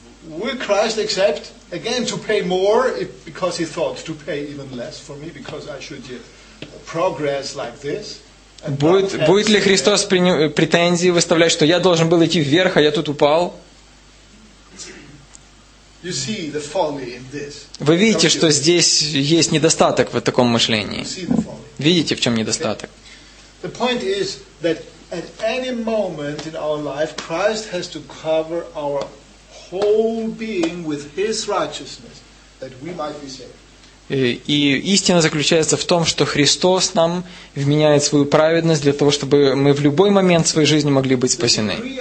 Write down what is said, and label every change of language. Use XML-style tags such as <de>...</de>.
<en>Will Christ accept again to pay more if, because he thought to pay even less for me because I should progress like this?</en> <ru>Будет ли Христос претензии выставлять, что я должен был идти вверх, а я тут упал?</ru> <en>You see the folly in this.</en> <ru>Вы видите, что здесь есть недостаток в таком мышлении. Видите, в чем недостаток?</ru> <en>The point is that at any moment in our life, Christ has to cover our whole being with His righteousness, that we might be saved.</en> <ru>И истина заключается в том, что Христос нам вменяет свою праведность для того, чтобы мы в любой момент своей жизни могли быть спасены.</ru>